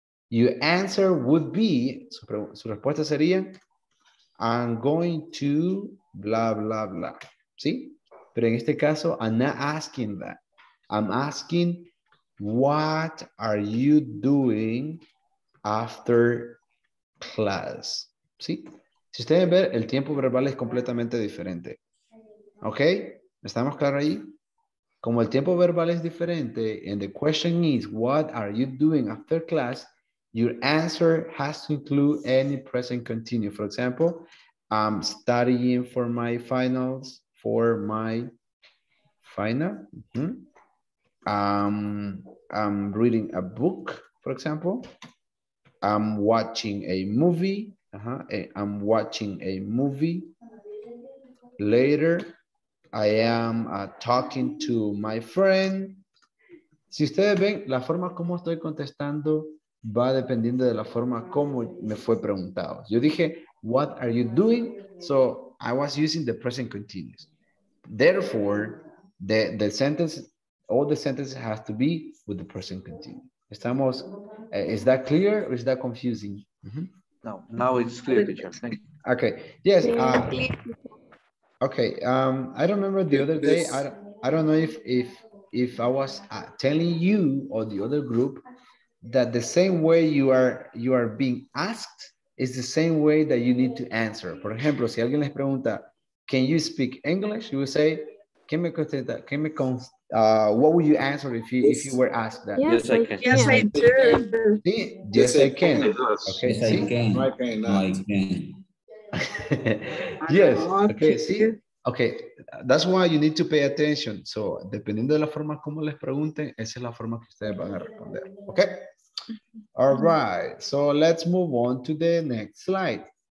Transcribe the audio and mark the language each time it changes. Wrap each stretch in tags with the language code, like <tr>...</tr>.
<en>Your answer would be,</en> <es>su respuesta sería,</es> <en>I'm going to blah, blah, blah. ¿Sí?</en> <es>Pero en este caso,</es> <en>I'm not asking that. I'm asking, what are you doing after class?</en> <es>¿Sí? Si ustedes ven, el tiempo verbal es completamente diferente. ¿Ok? ¿Estamos claros ahí? Como el tiempo verbal es diferente,</es> <en>and the question is, what are you doing after class? Your answer has to include any present continuous. For example, I'm studying for my finals, for my final. Mm-hmm. I'm reading a book, for example. I'm watching a movie. I'm watching a movie. Later, I am talking to my friend.</en> <es>Si ustedes ven, la forma como estoy contestando va dependiendo de la forma como me fue preguntado. Yo dije,</es> <en>what are you doing? So I was using the present continuous. Therefore, the sentence, all the sentences have to be with the present continuous. Estamos, is that clear or is that confusing? Mm-hmm. No, now it's clear, teacher. Okay, yes. Okay, I remember the other day, I don't know if I was telling you or the other group that the same way you are being asked is the same way that you need to answer.</en> <es>Por ejemplo, si alguien les pregunta,</es> <en>can you speak English? You will say, what would you answer if you were asked that? Yes, I can. Yes, I do. Yes, I can. Okay, yes, I can. I can. Yes, okay, see? Okay, that's why you need to pay attention.</en> <es>So, dependiendo de la forma como les pregunten, esa es la forma que ustedes van a responder, okay?</es> <en>All right, so let's move on to the next slide.</en>